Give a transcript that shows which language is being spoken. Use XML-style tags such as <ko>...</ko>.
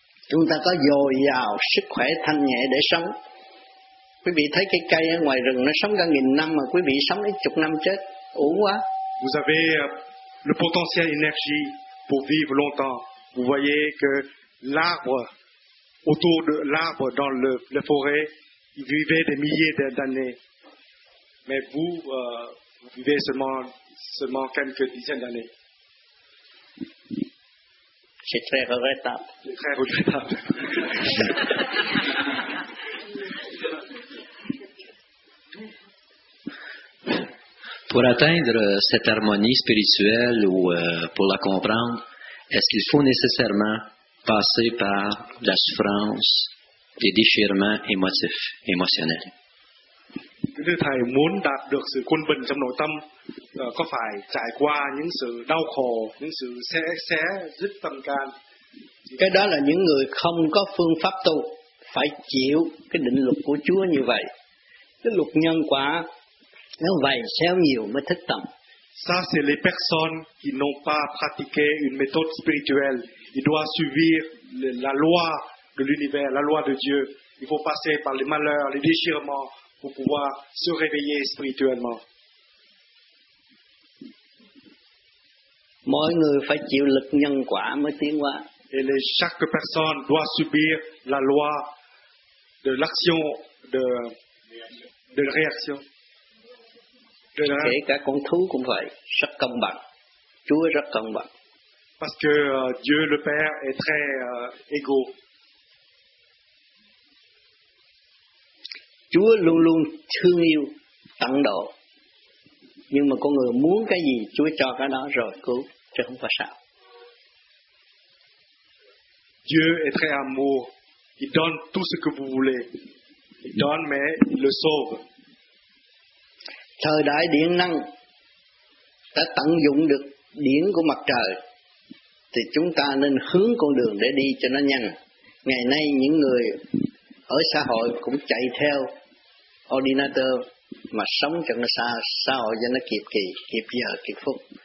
<vi>Chúng ta có dồi dào sức khỏe thanh nhẹ để sống. Quý vị thấy cái cây ở ngoài rừng nó sống cả nghìn năm mà quý vị sống đến chục năm chết, uổng quá.</vi> <fr>Vous avez le potentiel énergie pour vivre longtemps. Vous voyez que l'arbre, autour de l'arbre dans la forêt, il vivait des milliers d'années. Mais vous, vous vivez seulement quelques dizaines d'années. C'est très regrettable. C'est très regrettable. Pour atteindre cette harmonie spirituelle ou pour la comprendre, est-ce qu'il faut nécessairement passer par la souffrance, des déchirements émotifs, émotionnels?</fr> <vi>Thưa Thầy, muốn đạt được sự quân bình trong nội tâm, có phải trải qua những sự đau khổ, những sự xé rứt tâm can? Cái đó là những người không có phương pháp tu, phải chịu cái định luật của Chúa như vậy. Cái luật nhân quả, nếu vậy xéo nhiều mới thức tâm.</vi> <fr>Ça c'est les personnes qui n'ont pas pratiqué une méthode spirituelle. Ils doivent suivre la loi de l'univers, la loi de Dieu. Il faut passer par les malheurs, les déchirements, pour pouvoir se réveiller spirituellement.</fr> <vi>Mọi người phải chịu lực nhân quả mới tiến hóa.</vi> <fr>Et chaque personne doit subir la loi de l'action, de la réaction.</fr> <vi>Kể cả con thú cũng vậy, rất công bằng. Chúa rất công bằng.</vi> <fr>Parce que Dieu le Père est très égaux.</fr> <vi>Chúa luôn luôn thương yêu, tận độ. Nhưng mà con người muốn cái gì, Chúa cho cái đó rồi cứu, chứ không phải sao.</vi> <fr>Dieu est très amour. Il donne tout ce que vous voulez. Il donne, mais il le sauve.</fr> <vi>Thời đại điện năng đã tận dụng được điện của mặt trời, thì chúng ta nên hướng con đường để đi cho nó nhanh. Ngày nay những người ở xã hội cũng chạy theo ordinateur mà sống cho nó xã hội cho nó kịp kỳ, kịp giờ, kịp phút.</vi>